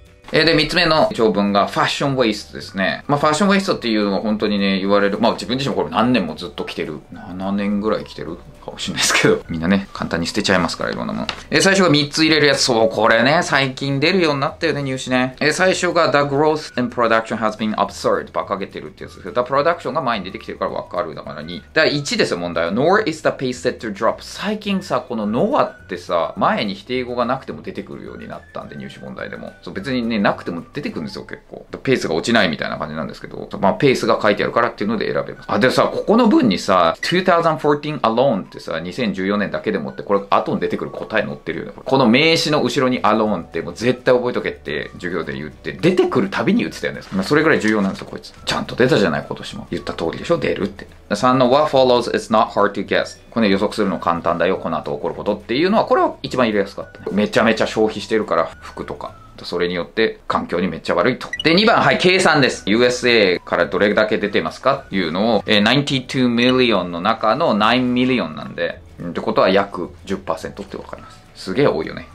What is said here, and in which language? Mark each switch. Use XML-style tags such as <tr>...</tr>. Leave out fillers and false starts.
<ja>で、三つ目の長文がファッションウェイストですね。まあ、ファッションウェイストっていうのは本当にね、言われる。まあ、自分自身もこれ何年もずっと着てる。7年ぐらい着てるかもしれないですけど。みんなね、簡単に捨てちゃいますから、いろんなもの。最初が三つ入れるやつ。そう、これね、最近出るようになったよね、入試ね。</ja> <en>最初が The growth in production has been absurd。</en> <ja>バカげてるってやつです。 The production が前に出てきてるからわかる。だから2。だから1ですよ、問題は。</ja> <en>Nor is the pace set to drop。</en> <ja>最近さ、この Nor ってさ、前に否定語がなくても出てくるようになったんで、入試問題でも。そう、別にね、なくても出てくるんですよ、結構。ペースが落ちないみたいな感じなんですけど、まあ、ペースが書いてあるからっていうので選べます。あ、でさ、ここの文にさ、2014 alone ってさ、2014年だけでもって、これ後に出てくる答え載ってるよね。この名詞の後ろに alone ってもう絶対覚えとけって授業で言って、出てくるたびに言ってたよね。まあ、それぐらい重要なんですよ、こいつ。ちゃんと出たじゃない、今年も。言った通りでしょ、出るって。</ja> <en>3の what follows is not hard to guess。</en> <ja>これ、ね、予測するの簡単だよ、この後起こることっていうのは、これは一番入れやすかった、ね。めちゃめちゃ消費してるから、服とか。それによって環境にめっちゃ悪いと。で、2番、はい、計算です。USA からどれだけ出てますかっていうのを、92 million の中の9 million なんで、ってことは約 10% ってわかります。すげえ多いよね。</ja>